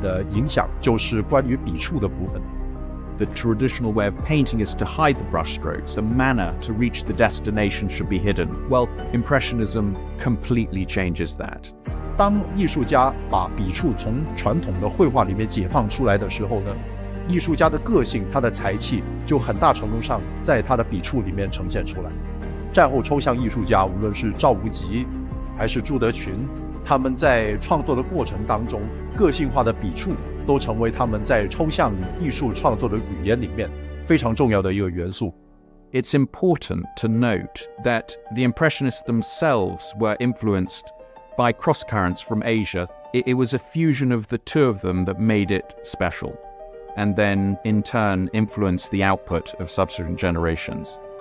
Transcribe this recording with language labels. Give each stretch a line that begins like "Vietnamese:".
Chinese: 莫奈雷诺瓦他们对于风景跟人物的创作，很大程度上影响了林风眠、吴冠中，成功的把西方的色彩跟中国的山水结合在一起，带来了一种崭新的一种艺术的感受。另外一个非常重要的印象派的影响，就是关于笔触的部分。
English: The traditional way of painting is to hide the brush strokes. A manner to reach the destination should be hidden. Well, Impressionism completely changes that.
Chinese: 当艺术家把笔触从传统的绘画里面解放出来的时候呢，艺术家的个性、他的才气就很大程度上在他的笔触里面呈现出来。战后抽象艺术家，无论是赵无极还是朱德群，他们在创作的过程当中，个性化的笔触都成为他们在抽象艺术创作的语言里面非常重要的一个元素。
English: It's important to note that the Impressionists themselves were influenced by cross currents from Asia. It was a fusion of the two of them that made it special, and then in turn influenced the output of subsequent generations.